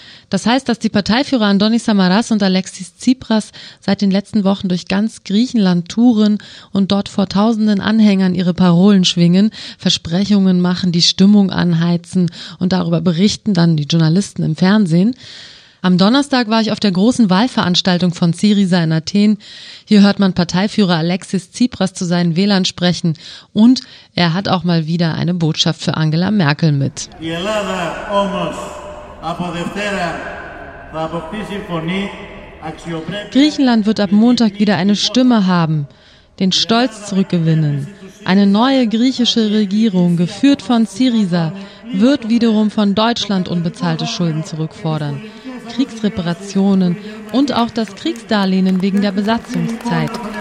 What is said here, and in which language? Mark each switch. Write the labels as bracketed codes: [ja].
[de] Das heißt, dass die Parteiführer Andonis Samaras und Alexis Tsipras seit den letzten Wochen durch ganz Griechenland touren und dort vor tausenden Anhängern ihre Parolen schwingen, Versprechungen machen, die Stimmung anheizen und darüber berichten dann die Journalisten im Fernsehen. Am Donnerstag war ich auf der großen Wahlveranstaltung von Syriza in Athen. Hier hört man Parteiführer Alexis Tsipras zu seinen Wählern sprechen. Und er hat auch mal wieder eine Botschaft für Angela Merkel mit. [el] Η Ελλάδα όμως από Δευτέρα θα αποκτήσει φωνή. [de] Griechenland wird ab Montag wieder eine Stimme haben, den Stolz zurückgewinnen. Eine neue griechische Regierung, geführt von Syriza, wird wiederum von Deutschland unbezahlte Schulden zurückfordern, Kriegsreparationen und auch das Kriegsdarlehen wegen der Besatzungszeit.